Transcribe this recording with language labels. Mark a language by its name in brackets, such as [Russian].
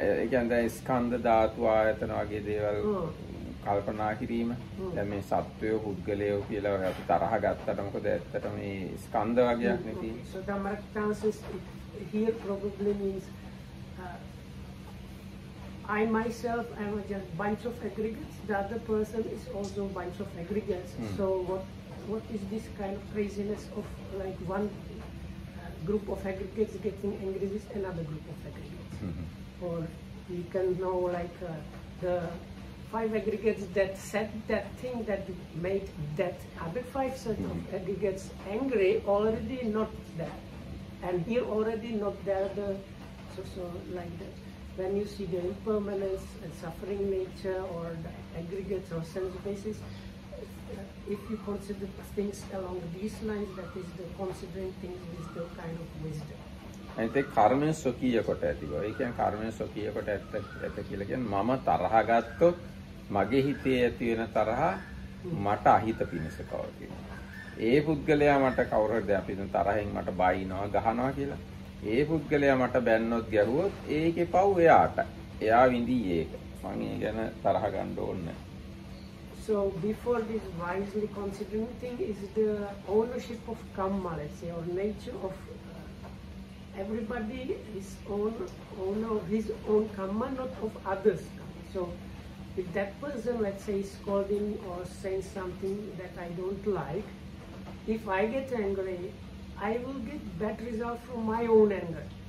[Sinhala] ඒ කියන්නේ දැන් ස්කන්ධ ධාතු ආයතන වගේ දේවල් කල්පනා කිරීම. දැන් මේ සත්වය පුද්ගලයෝ කියලා අපි තරහ ගත්තට මොකද ඇත්තට මේ ස්කන්ධ වර්ගයක් නේ තියෙන්නේ. [English] So tamaraktansis here probably means I myself am just bunch of aggregates, the other person is also bunch of aggregates. So what is this kind of craziness of like one group of aggregates getting angry with another group of aggregates? Or we can know like the five aggregates that said that thing that made that other five set of aggregates angry already not there, and here already not there the so like that. When you see the impermanence and suffering nature or the aggregates or sense bases, if you consider things along these lines, that is the considering things with the kind of wisdom. [Sinhala] ඒක කර්මයේ ස්වකීය කොට ඇතිවෝ. ඒ කියන්නේ කර්මයේ ස්වකීය කොට ඇත කියලා කියන්නේ මම තරහ ගත්තොත් මගේ හිතේ ඇති වෙන තරහ මට අහිත පිණිස කවදින. ඒ පුද්ගලයා මට කවුරුද අපි දැන් තරහෙන් මට බයිනවා ගහනවා කියලා. ඒ පුද්ගලයා මට බැන්නොත් ගැහුවොත් ඒකේ පව් එයාට. එයා විඳී ඒක. මම ඒ ගැන තරහ ගන්න ඕනේ නැහැ. [English] So before this wisely considering thing is the ownership of karma, let's say, or nature of everybody is owner of his own karma, not of others' karma. So if that person, let's say, is scolding or saying something that I don't like, if I get angry, I will get bad result from my own anger.